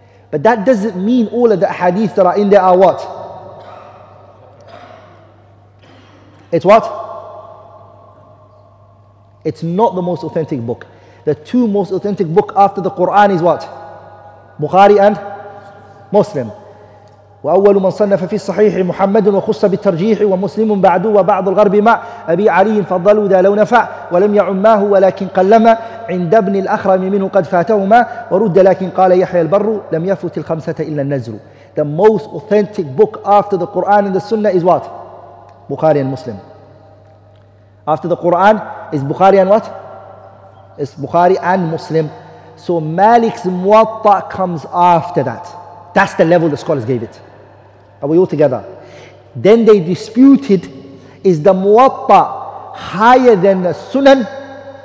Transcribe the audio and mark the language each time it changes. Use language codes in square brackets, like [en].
[en] But that doesn't mean all of the hadith that are in there are what? It's what? It's not the most authentic book. The two most authentic book after the Quran is what? Bukhari and Muslim. [ar] وأول من صنف في الصحيح محمد وخص بالترجيح ومسلم بعده وبعض الغرب مع أبي علي فضلوا ذا لو نفع ولم يعماه ولكن قلما عند ابن الأخرم منه قد فاتهما ورد لكن قال يحيى البر لم يفوت الخمسة إلا النزر. [en] The most authentic book after the Quran and the Sunnah is what? Bukhari and Muslim. After the Quran is Bukhari and what? It's Bukhari and Muslim. So Malik's Muwatta comes after that. That's the level the scholars gave it. Are we all together? Then they disputed, is the Muwatta higher than the Sunan?